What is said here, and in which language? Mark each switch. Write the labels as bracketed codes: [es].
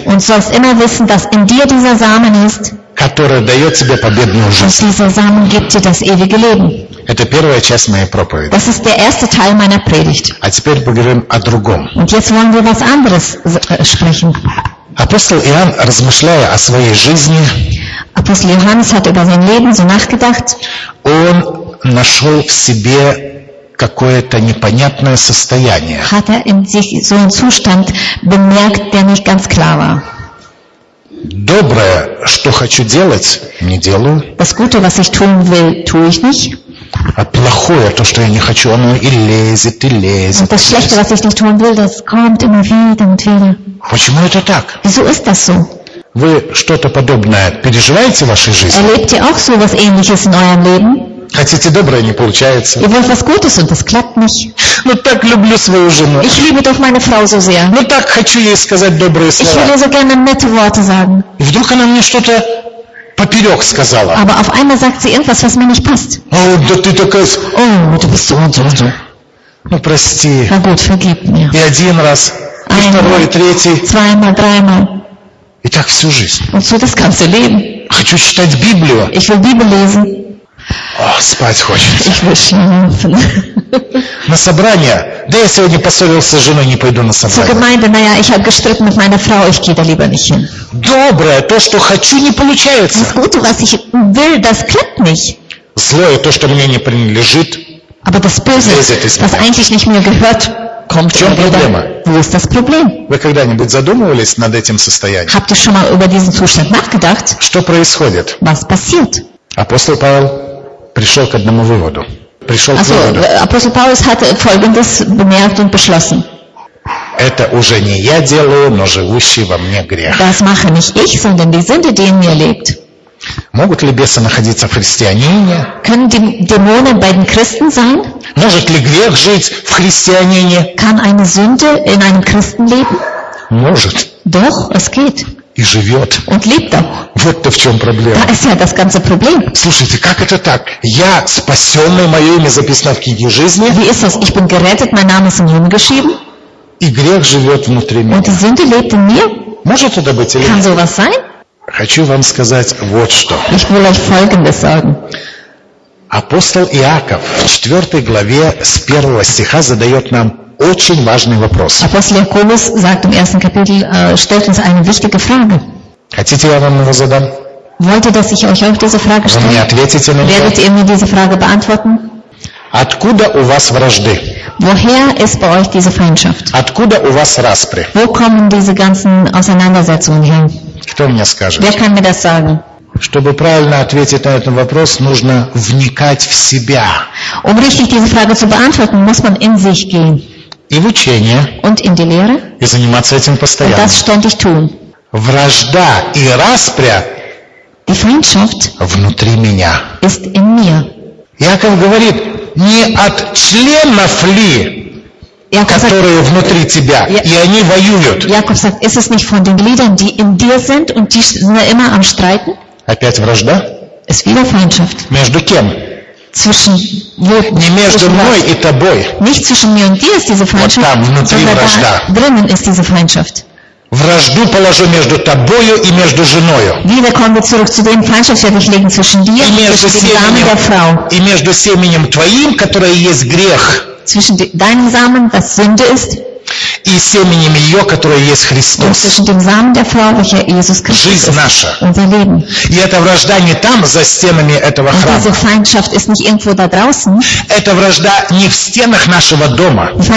[de] Und sollst immer wissen, dass in dir dieser Samen ist. [ru] Которое дает тебе победную жизнь. [de] Und dieser Samen gibt dir das ewige Leben. [ru] Это первая часть моей проповеди. [de] Das ist der erste Teil meiner Predigt. [ru] А теперь поговорим о другом. [de] Und jetzt wollen wir was anderes sprechen. [ru] Апостол Иоанн, размышляя о своей жизни, [de] Апостол Иоаннес hat über sein Leben so nachgedacht, [ru] он нашел в себе какое-то непонятное состояние. [de] Hat er in sich so einen Zustand bemerkt, der nicht ganz klar war. [ru] Доброе, что хочу делать, не делаю. [de] Das Gute, was ich tun will, tue ich nicht. [ru] А плохое, то, что я не хочу, оно и лезет, и лезет. [de] Und das Schlechte, was ich nicht tun will, das kommt immer wieder und wieder. [ru] Почему это так? [de] Wieso ist das so? [ru] Вы что-то подобное переживаете в вашей жизни? [de] Erlebt ihr auch sowas ähnliches in eurem Leben? [ru] Хотите доброе, не получается. [de] Ihr wollt was Gutes und das klappt nicht. [ru] Ну так люблю свою жену. [de] Ich liebe doch meine Frau so sehr. [ru] Ну так хочу ей сказать добрые слова. [de] Ich würde so gerne nette Worte sagen. [ru] И вдруг она мне что-то поперек сказала. [de] Aber auf einmal sagt sie irgendwas, was mir nicht passt. [ru] О, да ты такая... [de] О, oh, du bist so und so. [ru] Ну прости. [de] Na gut, vergib mir. [ru] И один раз... Второй, третий. [de] Zweimal, dreimal. [ru] И так всю жизнь. [de] Und so das ganze Leben. [ru] Хочу читать Библию. [de] Ich will Bibel lesen. [ru] О, спать хочется. [de] Ich will schlafen. [ru] На собрание. Да я сегодня поссорился с женой, не пойду на собрание. [de] Zur Gemeinde, naja, ich habe gestritten mit meiner Frau, ich gehe da lieber nicht hin. [ru] Доброе, то, что хочу, не получается. [de] Das Gute, was ich will, das klappt nicht. [ru] Злое, то, что мне не принадлежит. [de] Aber das Böse, was eigentlich nicht mir gehört. [ru] В чем проблема? [de] Wo ist das Problem? [ru] Вы когда-нибудь задумывались над этим состоянием? [de] Habt ihr schon mal über diesen Zustand nachgedacht? [ru] Что происходит? [de] Was passiert? [ru] Апостол Павел пришел к одному выводу. [de] Апостол Павел hatte folgendes bemerkt und beschlossen. [ru] Это уже не я делаю, но живущий во мне грех. [de] Das mache nicht ich, sondern die Sünde, die in mir lebt. [ru] Могут ли бесы находиться в христианине? [de] Können die Dämonen bei den Christen sein? [ru] Может ли грех жить в христианине? [de] Kann eine Sünde in einem Christen leben? [ru] Может. [de] Doch, es geht. [ru] И живет. [de] Und lebt auch. [ru] Вот-то в чем проблема. [de] Da ist ja das ganze Problem. [ru] Слушайте, как это так? Я спасенный, мое имя записано в книге жизни. [de] Wie ist das? Ich bin gerettet, mein Name ist im Himmel geschrieben. [ru] И грех живет внутри меня. [de] Und die Sünde lebt in mir? [ru] Может это быть или нет? [de] Kann sowas sein? [ru] Хочу вам сказать вот что. [de] Ich will euch folgendes sagen. [ru] Апостол Иаков в 4 главе с 1 стиха задает нам очень важный вопрос. [de] Апостол Иаков sagt im 1. Kapitel, stellt uns eine wichtige Frage. [ru] Хотите, я вам его задам? [de] Wollt ihr, dass ich euch auch diese Frage stelle? [ru] Вы мне ответите на нее? [de] Werdet ihr mir diese Frage beantworten? [ru] Откуда у вас вражды? [de] Woher ist bei euch diese Feindschaft? [ru] Откуда у вас распри? [de] Wo kommen diese ganzen Auseinandersetzungen her? [ru] Кто мне скажет? [de] Wer kann mir das sagen? [ru] Чтобы правильно ответить на этот вопрос, нужно вникать в себя. [de] Um richtig diese Frage zu beantworten, muss man in sich gehen. [ru] И в учение. [de] Und in die Lehre. [ru] И заниматься этим постоянно. [de] Und das ständig tun. [ru] Вражда и распря. [de] Die Feindschaft. [ru] Внутри меня. [de] Ist in mir. [ru] Яков говорит, не от членов ли, которые внутри тебя, и они воюют. [de] Яков sagt, ist es nicht von den Gliedern, die in dir sind und die sind immer am Streiten? [ru] Опять вражда? [de] Ist wieder Feindschaft. [ru] Между кем? [de] Zwischen wo? [ru] Не между мной и тобой. [de] Nicht zwischen mir und dir ist diese Feindschaft. [ru] Вот там внутри вражда. [de] Drinnen ist diese Feindschaft. [ru] Вражду положу между тобою и между женою. [de] Wieder kommen wir zurück zu dem Feindschaft, werde ich legen zwischen dir und der Frau. [ru] И между семенем твоим, которое есть грех. [de] Zwischen deinem Samen, das Sünde ist. [ru] и семенем ее, которое есть Христос. Жизнь наша. И это вражда не там, за стенами этого храма. Это вражда не в стенах нашего дома.